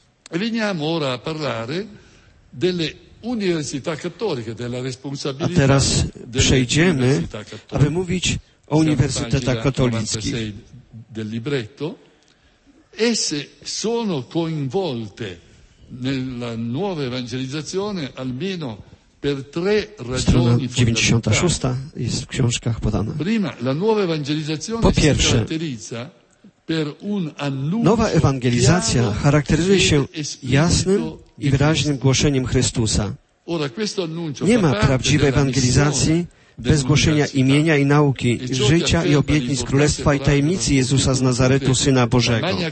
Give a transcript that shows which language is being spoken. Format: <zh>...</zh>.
<it>Veniamo ora a parlare delle università cattoliche, della responsabilità.</it> <pl>A teraz przejdziemy, aby mówić o Uniwersytetach Katolickich.</pl> <it>Del libretto, esse sono coinvolte nella nuova evangelizzazione almeno per tre ragioni.</it> <pl>96 jest w książkach podana.</pl> <it>Prima, la nuova evangelizzazione si caratterizza per un annuncio.</it> <pl>Nowa ewangelizacja charakteryzuje się jasnym i wyraźnym głoszeniem Chrystusa.</pl> <it>Ora questo annuncio.</it> <pl>Nie ma prawdziwej ewangelizacji bez głoszenia imienia i nauki, życia i obietnic Królestwa i tajemnicy Jezusa z Nazaretu, Syna Bożego.</pl>